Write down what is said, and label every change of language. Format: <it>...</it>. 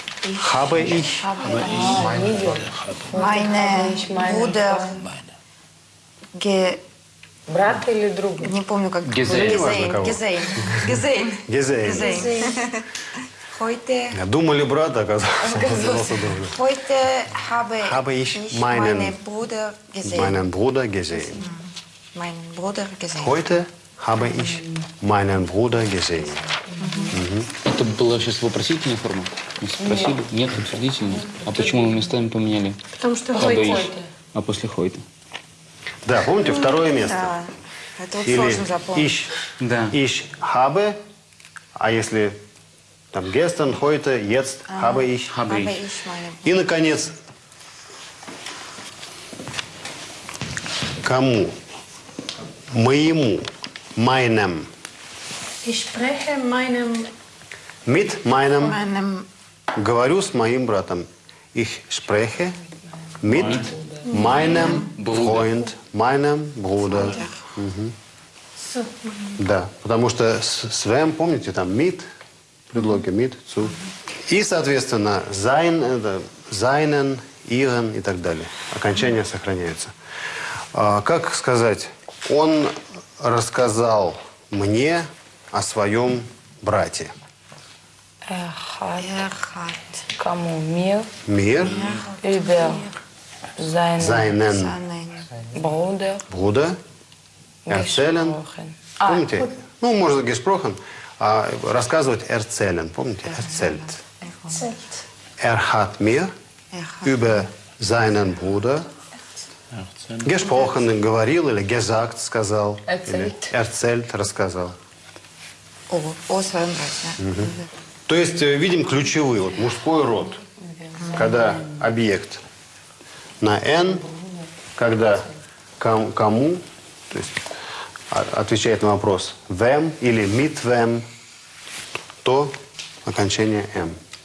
<de>Ich. Habe ich. Meine. Bruder. Ge.</de> <ru>Брат или друг? Не помню, как.</ru> <de>Gesehen. Gesehen. Gesehen.</de> <ru>Думали брат, оказался другом.</ru> <de>Heute habe ich meinen Bruder gesehen. Meinen Bruder gesehen. Meinen Bruder gesehen. Heute habe ich meinen Bruder gesehen.</de> <ru>Это была сейчас вопросительная форма? Спросили? Нет, утвердительная. А почему мы местами поменяли? Потому что</ru> <de>habe ich.</de> <ru>А после heute? Да, помните, второе место. Да. Это или сложно запомнить.</ru> <de>Ich.</de> <ru>Да.</ru> <de>Ich habe.</de> <ru>А если...</ru> <de>Там, gestern, heute, jetzt, habe ich. Habe ich.</de> <ru>И, наконец, кому? Моему. Meinem.</ru> <de>Ich spreche meinem. Mit meinem. Meinem.</de> <ru>Говорю с моим братом.</ru> <de>Ich spreche mit meinem Freund, meinem Bruder. Mhm.</de> <ru>Да, потому что Sven, помните, там, mit. Предлоги mit, zu. И, соответственно, sein, это, seinen, ihren и так далее. Окончание сохраняется. А, как сказать, он рассказал мне о своем брате.</ru> <de>Er hat.</de> <ru>Кому?</ru> <de>Mir. Über. Seinen. Bruder. Erzählen.</de> <ru>Помните? Ну, может, gesprochen. А рассказывать «erzählen», помните? «Erzählt».</ru> <de>erzählt. Er hat mir über seinen Bruder gesprochen,</de> <ru>говорил или</ru> <de>gesagt, сказал. Erzählt. Erzählt, рассказал.</de> <ru>О своем брате. То есть видим ключевые, вот мужской род, когда объект на «н», когда «кому», то есть отвечает на вопрос «вэм» или «мит вэм», то окончание «м».</ru>